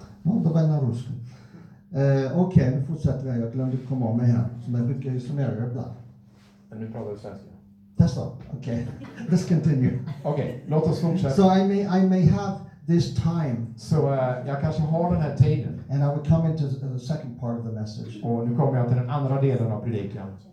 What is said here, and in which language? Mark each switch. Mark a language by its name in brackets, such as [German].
[English] Okay. [Swedish] Okej, okay, nu fortsätter jag. Jag glömde att komma av mig här. Som jag brukar summera ibland. Men nu pratar du svenska. [English] That's all. Okej. Okay. Let's continue. [Swedish] Okej, okay, låt oss fortsätta. [English] So I may have this time. [Swedish] So jag kanske har den här tiden. [English] And I will come into the second part of the message. [Swedish] Och nu kommer jag till den andra delen av predikan.